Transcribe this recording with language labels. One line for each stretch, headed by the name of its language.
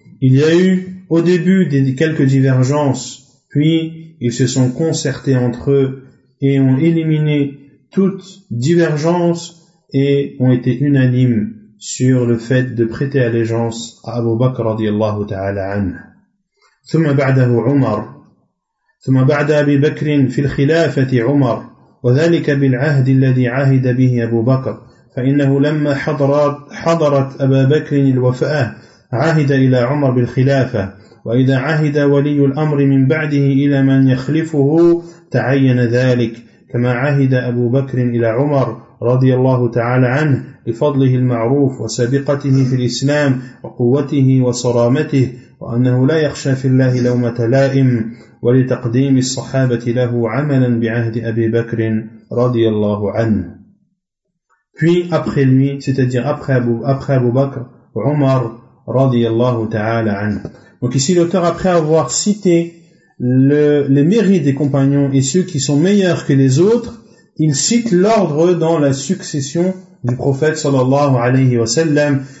French: Il y a eu au début quelques divergences, puis ils se sont concertés entre eux et ont éliminé toute divergence et ont été unanimes sur le fait de prêter allégeance à Abu Bakr radiallahu ta'ala anhu.
Arabic: Thumma ba'dahu Umar. ثم بعد أبي بكر في الخلافة عمر وذلك بالعهد الذي عهد به أبو بكر فإنه لما حضرت أبا بكر الوفاة عهد إلى عمر بالخلافة وإذا عهد ولي الأمر من بعده إلى من يخلفه تعين ذلك كما عهد أبو بكر إلى عمر رضي الله تعالى عنه لفضله المعروف وسابقته في الإسلام وقوته وصرامته وأنه لا يخشى في الله لومة لائم ولتقديم الصحابة له عملا بعهد أبي بكر رضي الله عنه.
French: Puis après lui, c'est-à-dire après Abu Bakr, Omar رضي الله تعالى عنه. Donc ici l'auteur, après avoir cité les mérites des compagnons et ceux qui sont meilleurs que les autres, il cite l'ordre dans la succession du prophète sallallahu alayhi wa sallam.